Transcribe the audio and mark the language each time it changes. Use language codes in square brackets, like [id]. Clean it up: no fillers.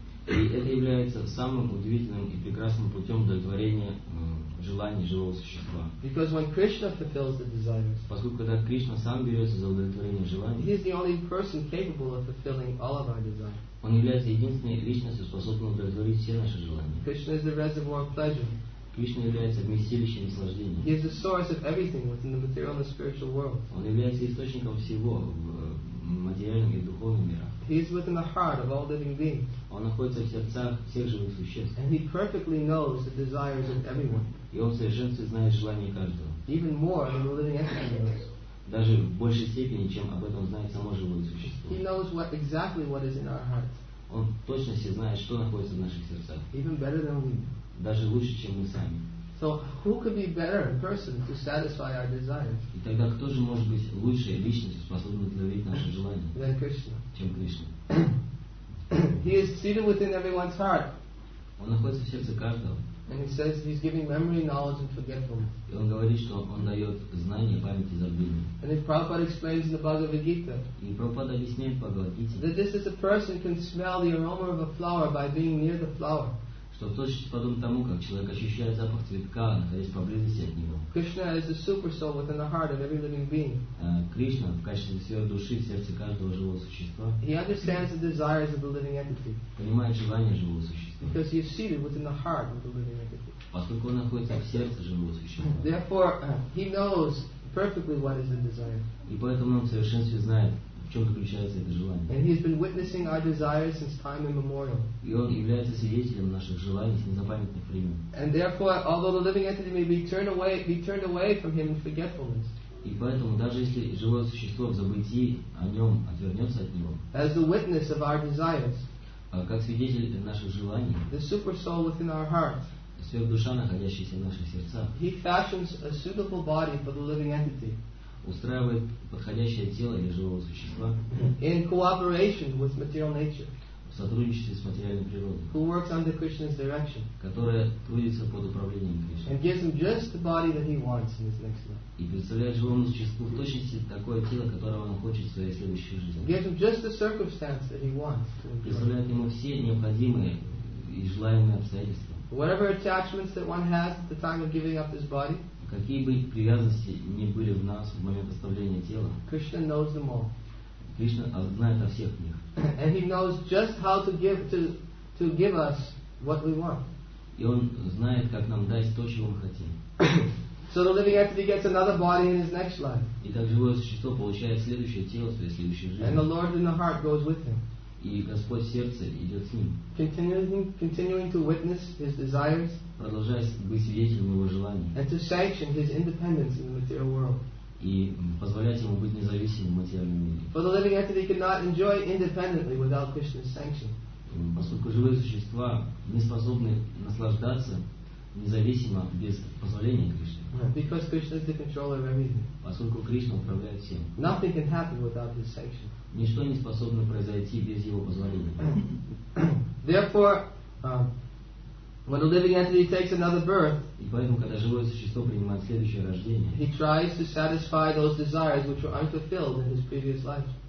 [ru] И это является самым удивительным и прекрасным путем удовлетворения желаний живого существа. [en] Because when Krishna fulfills the desires, [ru] поскольку когда Кришна сам берется за удовлетворение желаний, [en] he is the only person capable of fulfilling all of our desires. [ru] Он является единственной личностью, способной удовлетворить все наши желания. [en] Krishna is the reservoir of pleasure. [ru] Кришна является вместилищем наслаждения. [en] He is the source of everything within the material and spiritual world. [ru] Он является источником всего в материальном и духовном мирах. [en] He is within the heart of all living beings. [ru] Он находится в сердцах всех живых существ. [en] And he perfectly knows the desires of everyone. [ru] И он в совершенстве знает желания каждого. [en] Even more than the living animals. [ru] Даже в большей степени, чем об этом знает само живое существо. [en] He knows what, exactly what is in our hearts. [ru] Он точно все знает, что находится в наших сердцах. [en] Even better than we. [ru] Даже лучше, чем мы сами. [en] So who could be better in person to satisfy our desires? [ru] И тогда кто же может быть лучшей личностью, способной удовлетворить наши желания? [en] Than Krishna. [ru] Чем Кришна. [en] He is seated within everyone's heart. [ru] Он находится в сердце каждого. [en] And he says he's giving memory, knowledge, and forgetfulness. [ru] И он говорит, что он дает знания, память и забвение. [en] And if Prabhupada explains in the Bhagavad Gita. [ru] И Прабхупада объясняет в Бхагавад Гите. [en] That this is a person who can smell the aroma of a flower by being near the flower. [ru] Что в точности подобно тому, как человек ощущает запах цветка, находясь поблизости от него. [en] Krishna is the super soul within the heart of every living being. [ru] Кришна в качестве всей души в сердце каждого живого существа. [en] He understands the desires of the living entity. [ru] Понимает желания живого существа. [en] Because he is seated within the heart of the living entity. [ru] Поскольку он находится в сердце живого существа. [en] Therefore, he knows perfectly what is the desire. [ru] И поэтому он в совершенстве знает. В чем заключается это желание? [en] And he has been witnessing our desires since time immemorial. [ru] И он является свидетелем наших желаний с незапамятных времен. [en] And therefore, although the living entity may be turned away from him in forgetfulness. [ru] И поэтому даже если живое существо в забытии о нем отвернется от него. [en] As the witness of our desires. [ru] Как свидетель наших желаний. [en] The super soul within our hearts. [ru] Сверхдуша, находящаяся в наших сердцах. [en] He fashions a suitable body for the living entity. [ru] Устраивает подходящее тело для живого существа. [en] In cooperation with material nature. [ru] В сотрудничестве с материальной природой. [en] Who works under Krishna's direction. [ru] Которая трудится под управлением Кришны. [en] And gives him just the body that he wants in his next life. [ru] И представляет живому существу в точности такое тело, которого он хочет в своей следующей жизни. [en] Gives him just the circumstance that he wants. [ru] Представляет ему все необходимые и желаемые обстоятельства. [en] Whatever attachments that one has at the time of giving up this body. [ru] Какие бы привязанности ни были в нас в момент оставления тела, [en] Krishna knows them all. [ru] Кришна знает о всех них. [en] And he knows just how to give us what we want. [ru] И он знает, как нам дать то, чего мы хотим. [en] So the living entity gets another body in his next life. [ru] И так живое существо получает следующее тело в своей следующей жизни. [en] And the Lord in the heart goes with him. [ru] И Господь в сердце идет с ним. [en] Continuing to witness his desires. [ru] Продолжая быть свидетелем его желаний. [en] And to sanction his independence in the material world. [ru] И позволять ему быть независимым в материальном мире. [en] For the living entity cannot enjoy independently without Krishna's sanction. [ru] Поскольку живые существа не способны наслаждаться независимо без позволения Кришны. [en] Because Krishna is the controller of everything. [ru] Поскольку Кришна управляет всем. [en] Nothing can happen without his sanction. [ru] Ничто не способно произойти без его позволения. [en] Therefore, when a living entity takes another birth, [ru] и поэтому, когда живое существо принимает следующее рождение, [en] he tries to satisfy those desires which were unfulfilled in his previous life.